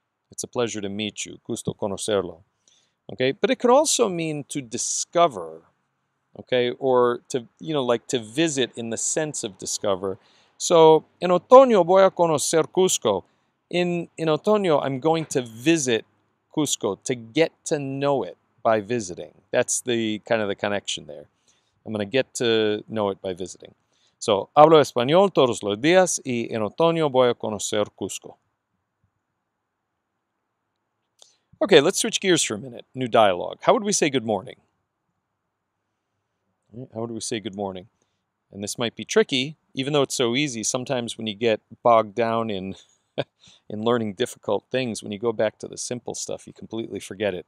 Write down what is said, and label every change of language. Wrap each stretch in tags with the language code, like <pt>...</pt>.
<en>It's a pleasure to meet you,</en> <es>gusto conocerlo.</es> <en>Okay, but it could also mean to discover, okay, or to, you know, like to visit in the sense of discover. So,</en> <es>en otoño voy a conocer Cusco.</es> <en>In otoño, I'm going to visit Cusco, to get to know it by visiting. That's the kind of the connection there. I'm going to get to know it by visiting.</en> <es>So, hablo español todos los días y en otoño voy a conocer Cusco.</es> <en>Okay, let's switch gears for a minute. New dialogue. How would we say good morning? How do we say good morning? And this might be tricky, even though it's so easy. Sometimes when you get bogged down in in learning difficult things, when you go back to the simple stuff, you completely forget it.</en>